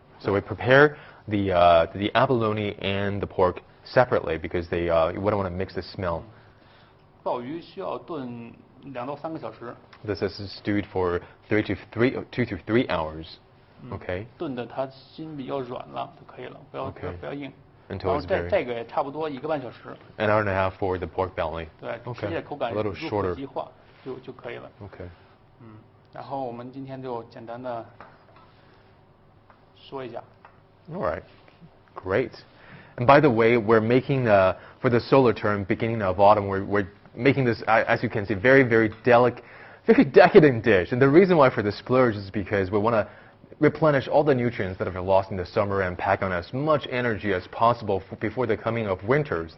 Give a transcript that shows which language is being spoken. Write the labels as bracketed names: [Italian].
[English] So we prepare the abalone and the pork separately because they we don't want to mix the smell. [Chinese] 鲍鱼需要炖两到三个小时。 [English] This is stewed for two to three hours. Okay. [Chinese] 炖的它心比较软了就可以了，不要硬。 [English] Until it's very. [Chinese] 然后这个也差不多一个半小时。 [English] An hour and a half for the pork belly. [Chinese] 对，吃起来口感入口即化，就可以了。 [English] Okay. [Chinese] 然后我们今天就简单的说一下。 [English] All right. Great. And by the way, we're making for the solar term beginning of autumn. We're making this, as you can see, very, very delicate, very decadent dish. And the reason why for the splurge is because we want to replenish all the nutrients that have been lost in the summer and pack on as much energy as possible before the coming of winters.